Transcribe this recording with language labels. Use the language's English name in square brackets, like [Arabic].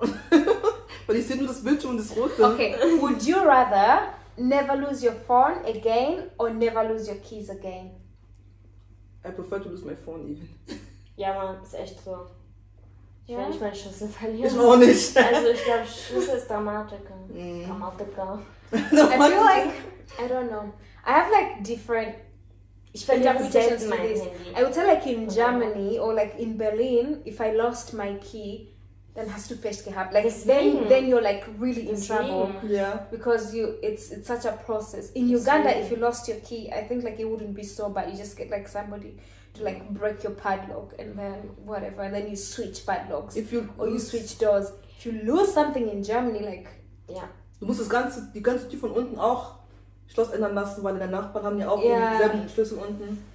[German] Weil ich sehe nur das Bildschirm und das Rote. Okay. [English] Would you rather never lose your phone again or never lose your keys again? I prefer to lose my phone even. [German] Ja, man, ist echt so. Ich will nicht meine Schlüssel verlieren. Ich auch nicht. Also ich glaube, Schlüssel ist Dramatiker. Dramatiker. [English] I feel like, I don't know. I have like different interpretations for this. I would say like in Germany or like in Berlin, if I lost my key, [German] dann hast du Pech gehabt. [English] Like then you're like really in trouble. Yeah. Because it's such a process. In Uganda, if you lost your key, I think like it wouldn't be so bad. You just get like somebody to like break your padlock and then whatever, and then you switch padlocks. If you switch doors. If you lose something in Germany, like yeah. [German] Du musst die ganze Tür von unten auch Schloss ändern lassen, weil deine Nachbarn haben ja auch dieselben Schlüssel unten.